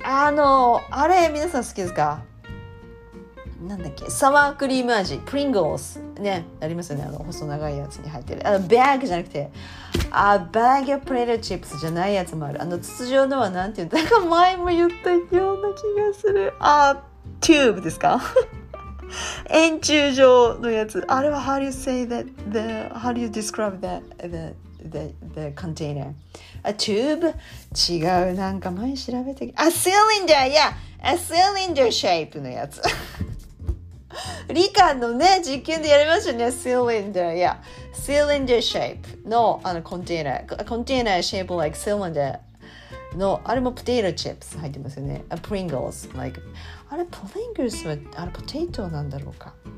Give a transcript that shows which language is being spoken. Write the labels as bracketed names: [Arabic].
[Japanese] あれ皆さん好きですか。なんだっけ、サワークリーム味、プリングルスね、ありますよね。細長いやつに入ってる。バッグじゃなくて、バッグプレートチップスじゃないやつもある。筒状のはなんていうの、なんか前も言ったような気がする。チューブですか？円柱状のやつ。あれは [English] How do you say that? How do you describe that? The container? A tube? [Japanese] 違う、なんか前調べて。 [English] A cylinder! Yeah! A cylinder shape [Japanese] のやつ。理科のね、実験でやりましたね。 [English] Cylinder! Yeah! Cylinder shape の、container。 Container shape like cylinder. [Japanese] のあれもポテトチップス入ってますよね。プリングルス、like、あれプリングルスはあれポテトなんだろうか。